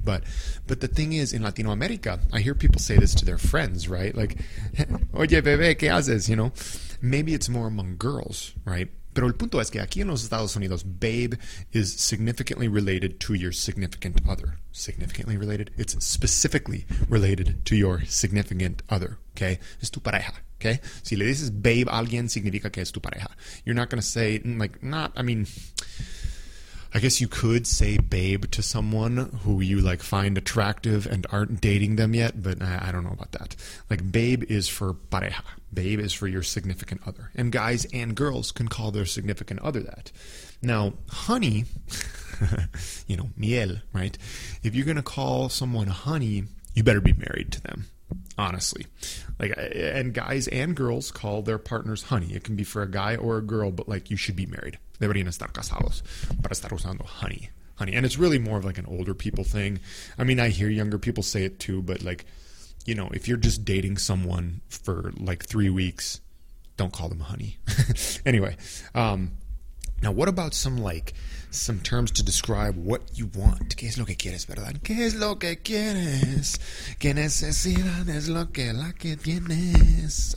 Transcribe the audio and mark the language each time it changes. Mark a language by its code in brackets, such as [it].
[en] But the thing is, in Latinoamerica, I hear people say this to their friends, right? Like, [es] oye, bebe, ¿qué haces? [en] You know, maybe it's more among girls, right? [es] Pero el punto es que aquí en los Estados Unidos, [en] babe is significantly related to your significant other. Significantly related? It's specifically related to your significant other, okay? [es] Es tu pareja, okay? Si le dices babe a alguien, significa que es tu pareja. [en] You're not going to say, like, not, I mean, I guess you could say babe to someone who you, like, find attractive and aren't dating them yet, but I don't know about that. Like, babe is for pareja. Babe is for your significant other. And guys and girls can call their significant other that. Now, honey, you know, miel, right? If you're going to call someone honey, you better be married to them, honestly. Like, and guys and girls call their partners honey. It can be for a guy or a girl, but, like, you should be married. [es] Deberían estar casados para estar usando [en] honey. Honey. And it's really more of like an older people thing. I mean, I hear younger people say it too, but like, you know, if you're just dating someone for like 3 weeks, don't call them honey. Anyway, now what about some like some terms to describe what you want? [es] ¿Qué es lo que quieres, verdad? ¿Qué es lo que quieres? ¿Qué necesidad es lo que la que tienes?